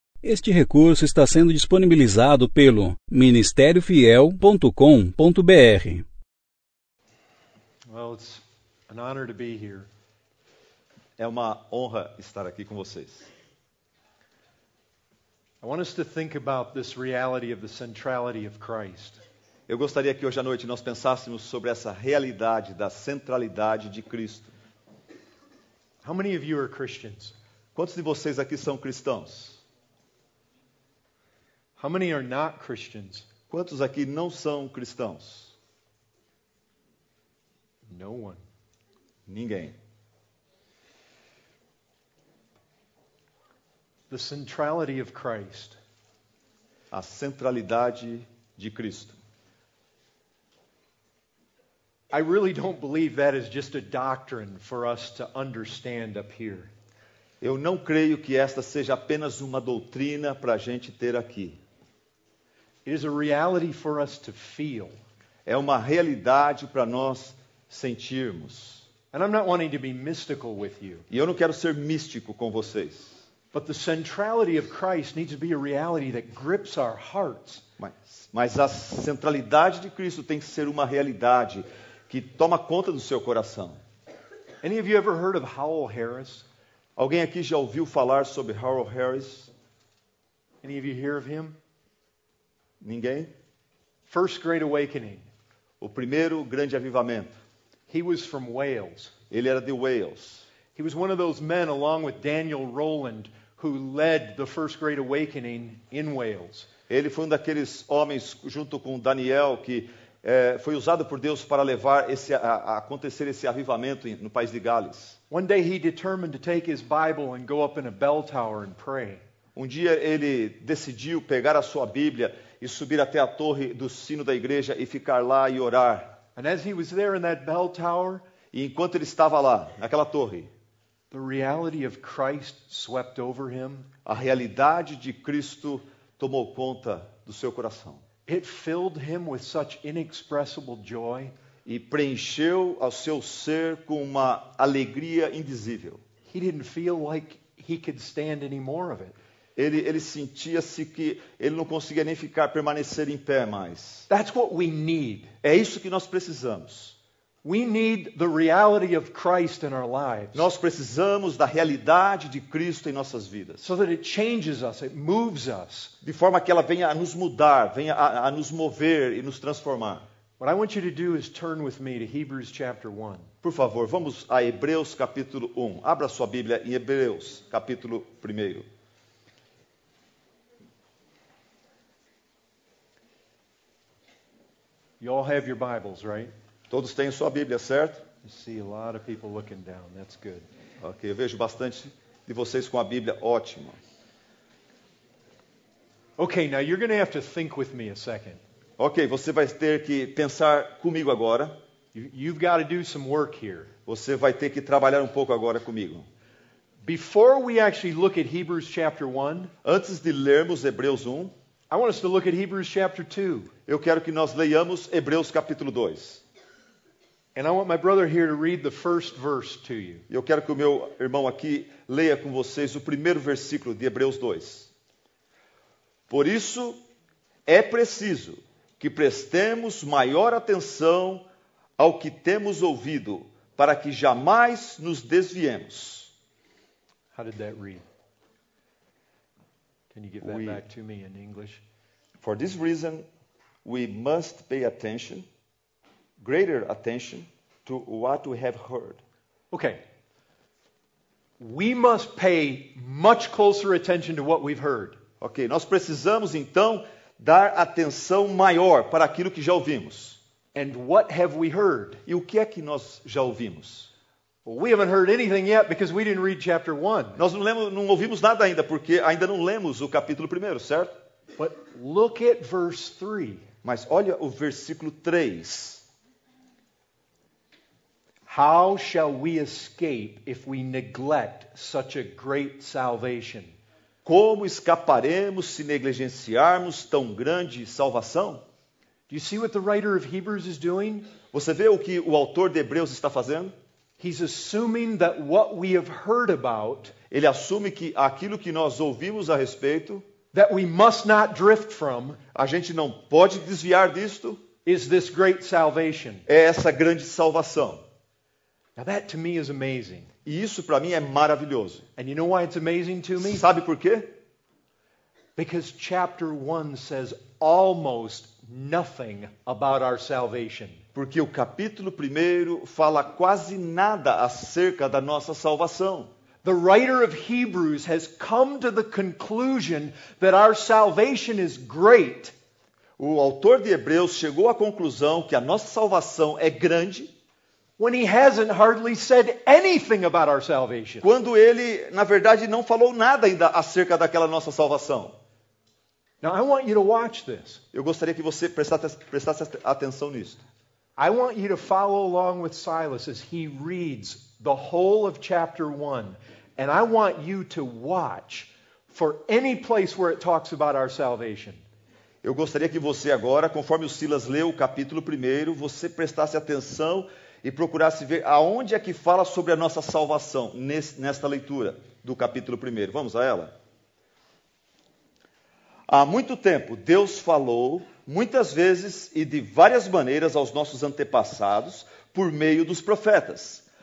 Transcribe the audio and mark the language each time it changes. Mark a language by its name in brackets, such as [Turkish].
[Portuguese] Este recurso está sendo disponibilizado pelo ministériofiel.com.br. [English] Well, it's an honor to be here. [Portuguese] É uma honra estar aqui com vocês. [English] I want us to think about this reality of the centrality of Christ. [Portuguese] Eu gostaria que hoje à noite nós pensássemos sobre essa realidade da centralidade de Cristo. [English] How many of you are Christians? [Portuguese] Quantos de vocês aqui são cristãos? [English] How many are not Christians? [Portuguese] Quantos aqui não são cristãos? [English] No one. [Portuguese] Ninguém. [English] The centrality of Christ. [Portuguese] A centralidade de Cristo. [English] I really don't believe that is just a doctrine for us to understand up here. [Portuguese] Eu não creio que esta seja apenas uma doutrina para a gente ter aqui. [English] It is a reality for us to feel. [Portuguese] É uma realidade para nós sentirmos. [English] And I'm not wanting to be mystical with you. [Portuguese] E eu não quero ser místico com vocês. [English] But the centrality of Christ needs to be a reality that grips our hearts. [Portuguese] Mas a centralidade de Cristo tem que ser uma realidade que toma conta do seu coração. [English] Any of you ever heard of Howell Harris? [Portuguese] Alguém aqui já ouviu falar sobre Howell Harris? [English] Any of you hear of him? [Portuguese] Ninguém? [English] First Great Awakening. [Portuguese] O primeiro grande avivamento. [English] He was from Wales. [Portuguese] Ele era de Wales. [English] He was one of those men along with Daniel Rowland who led the First Great Awakening in Wales. [Portuguese] Ele foi um daqueles homens junto com Daniel que foi usado por Deus para levar esse acontecer esse avivamento no país de Gales. [English] One day he determined to take his Bible and go up in a bell tower and pray. [Portuguese] Um dia ele decidiu pegar a sua Bíblia e subir até a torre do sino da igreja e ficar lá e orar. [English] And as he was there in that bell tower, [Portuguese] e enquanto ele estava lá, naquela torre, [English] the reality of Christ swept over him. [Portuguese] A realidade de Cristo tomou conta do seu coração. [English] It filled him with such inexpressible joy. [Portuguese] E preencheu ao seu ser com uma alegria indizível. [English] He didn't feel like he could stand any more of it. [Portuguese] Ele sentia-se que ele não conseguia nem ficar permanecer em pé mais. [English] That's what we need. [Portuguese] É isso que nós precisamos. [English] We need the reality of Christ in our lives. [Portuguese] Nós precisamos da realidade de Cristo em nossas vidas. [English] So that it changes us, it moves us. [Portuguese] De forma que ela venha a nos mudar, venha a nos mover e nos transformar. [English] What I want you to do is turn with me to Hebrews chapter 1. [Portuguese] Por favor, vamos a Hebreus capítulo 1. Abra sua Bíblia em Hebreus capítulo 1. [English] You all have your Bibles, right? [Portuguese] Todos têm sua Bíblia, certo? [English] I see a lot of people looking down. That's good. [Portuguese] Ok, eu vejo bastante de vocês com a Bíblia. Ótimo. [English] Okay, now you're going to have to think with me a second. [Portuguese] Ok, você vai ter que pensar comigo agora. [English] You've got to do some work here. [Portuguese] Você vai ter que trabalhar um pouco agora comigo. [English] Before we actually look at Hebrews chapter 1, [Portuguese] antes de lermos Hebreus 1, [English] I want us to look at Hebrews chapter 2. [Portuguese] Eu quero que nós leiamos Hebreus capítulo 2. [English] And I want my brother here to read the first verse to you. [Portuguese] Eu quero que o meu irmão aqui leia com vocês o primeiro versículo de Hebreus 2. Por isso é preciso que prestemos maior atenção ao que temos ouvido, para que jamais nos desviemos. [English] How did that read? Can you give that back to me in English? For this reason, we must pay attention, greater attention, to what we have heard. Okay. We must pay much closer attention to what we've heard. [Portuguese] Okay, nós precisamos então dar atenção maior para aquilo que já ouvimos. [English] And what have we heard? [Portuguese] E o que é que nós já ouvimos? [English] We haven't heard anything yet because we didn't read chapter 1. [Portuguese] Nós não ouvimos nada ainda porque ainda não lemos o capítulo 1, certo? [English] But look at verse 3. [Portuguese] Mas olha o versículo 3. [English] How shall we escape if we neglect such a great salvation? [Portuguese] Como escaparemos se negligenciarmos tão grande salvação? [English] Do you see what the writer of Hebrews is doing? [Portuguese] Você vê o que o autor de Hebreus está fazendo? [English] He's assuming that what we have heard about [Portuguese] Ele assume que aquilo que nós ouvimos a respeito, [English] that we must not drift from, [Portuguese] a gente não pode desviar disto, [English] is this great salvation. [Portuguese] É essa grande salvação. [English] Now that to me is amazing. [Portuguese] E isso para mim é maravilhoso. [English] And you know why it's amazing to me? [Portuguese] Sabe por quê? [English] Because chapter 1 says almost nothing about our salvation. [Portuguese] Porque o capítulo 1 fala quase nada acerca da nossa salvação. [English] The writer of Hebrews has come to the conclusion that our salvation is great. [Portuguese] O autor de Hebreus chegou à conclusão que a nossa salvação é grande. [English] When he hasn't hardly said anything about our salvation. [Portuguese] Quando ele, na verdade, não falou nada ainda acerca daquela nossa salvação. [English] Now I want you to watch this. [Portuguese] Eu gostaria que você prestasse atenção nisto. [English] I want you to follow along with Silas as he reads the whole of chapter 1, and I want you to watch for any place where it talks about our salvation. [Portuguese] Eu gostaria que você agora, conforme o Silas leu o capítulo 1, você prestasse atenção e procurasse ver aonde é que fala sobre a nossa salvação nesta leitura do capítulo 1. Vamos a ela? Há muito tempo, Deus falou, muitas vezes e de várias maneiras, aos nossos antepassados, por meio dos profetas.